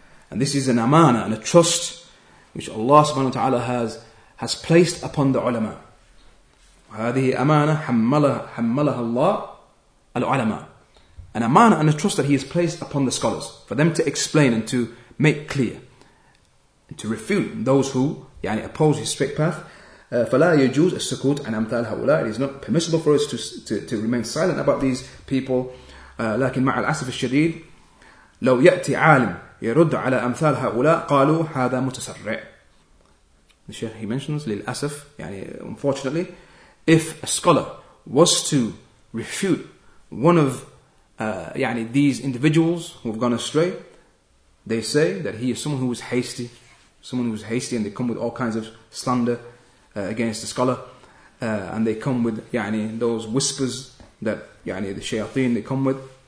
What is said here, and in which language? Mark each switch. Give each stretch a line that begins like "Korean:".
English: And this is an amana and a trust which Allah subhanahu wa ta'ala has placed upon the ulama.
Arabic: هَذِهِ أَمَانَةً حَمَّلَهَا اللَّهُ الْعُلَمَاء.
English: An amana and a trust that he has placed upon the scholars, for them to explain and to make clear, and to refute those who
Arabic: يعني
English: oppose his straight path.
Arabic: فلا يجوز السكوت عن أمثال هؤلاء.
English: It is not permissible for us to remain silent about these people.
Arabic: لكن مع الأسف الشديد لو يأتي عالم يرد على أمثال هؤلاء قالوا هذا متسرع.
English: The Shaykh, he mentions
Arabic: للأسف يعني,
English: unfortunately, if a scholar was to refute one of
Arabic: يعني,
English: these individuals who have gone astray, they say that he is someone who was hasty. Someone who's hasty, and they come with all kinds of slander against the scholar, and they come with
Arabic: يعني,
English: those whispers that
Arabic: يعني,
English: the shayateen, they come with.